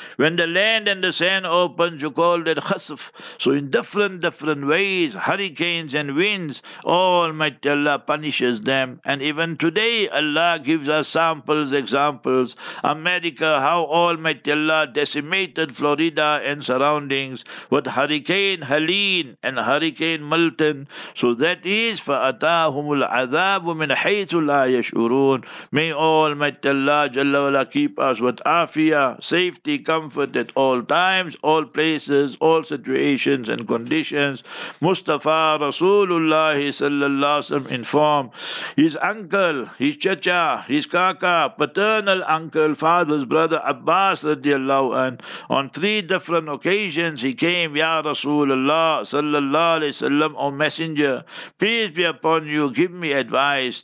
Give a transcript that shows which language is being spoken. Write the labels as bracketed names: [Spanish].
[English] When the land and the sand opens, you call that khasf. So in different ways, hurricanes and winds, Almighty Allah punishes them. And even today, Allah gives us samples, examples. America, how Almighty Allah decimated Florida and surroundings with Hurricane Helene and Hurricane Milton. So that is, [Arabic] فَأَتَاهُمُ الْعَذَابُ مِنْ حَيْثُ لَا يَشْعُرُونَ. [English] May Almighty Allah Jalla wa Ala keep us with afia, safety, comfort at all times, all places, all situations and conditions. Mustafa Rasulullah sallallahu alaihi wasallam informed his uncle, his chacha, his kaka, paternal uncle, father's brother Abbas radiallahu an, on three different occasions he came, Ya Rasulullah sallallahu alaihi wasallam, O messenger, peace be upon you, give me advice.